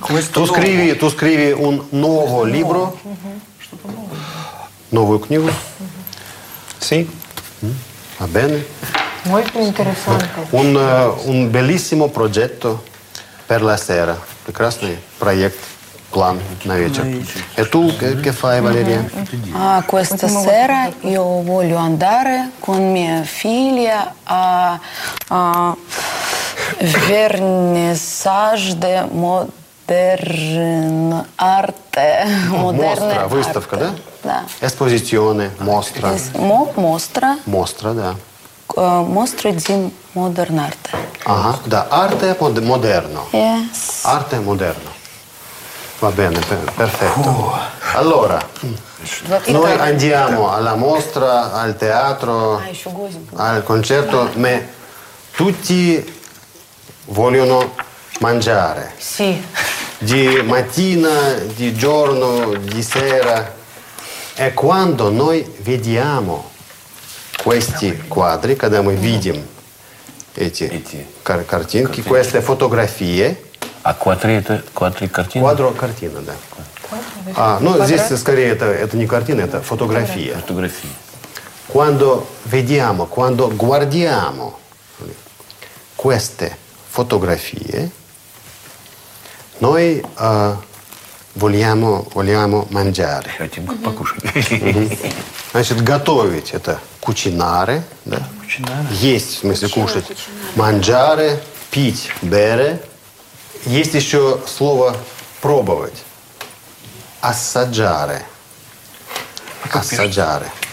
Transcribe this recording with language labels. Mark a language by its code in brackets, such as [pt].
[it] Tu scrivi un nuovo libro. [ru] Новую книгу. [it] Sì. Va bene. Molto interessante. Un bellissimo progetto per la sera. Прекрасный проект, план на вечер. E tu che fai, Valeria? Questa sera io voglio andare con mia figlia a vernissage de moderne arte. [ru] Mostra, выставка, да? Да. [it] Esposizione, mostra. Mostra. Mostra, да. Mostra di modern arte. [ru] Ага, да, [it] arte moderno. [en] Yes. [it] Arte moderno. Va bene, perfetto. Allora, noi andiamo alla mostra, al teatro, al concerto, ma tutti vogliono mangiare. Sì. Di mattina, di giorno, di sera. E quando noi vediamo questi quadri, [ru] когда мы видим эти картинки, [it] queste фотографии. [ru] А квадри это квадри картина? Квадро картина, да. Ну, здесь скорее это не картина, это фотография. Фотография. [it] Quando vediamo, quando guardiamo queste фотографии, noi vogliamo mangiare. [ru] Хотим покушать. Значит, готовить это кучинаре, да? Есть, в смысле, кушать. Манджаре, пить, бере. Есть еще слово пробовать. Ассаджаре. Ассаджаре.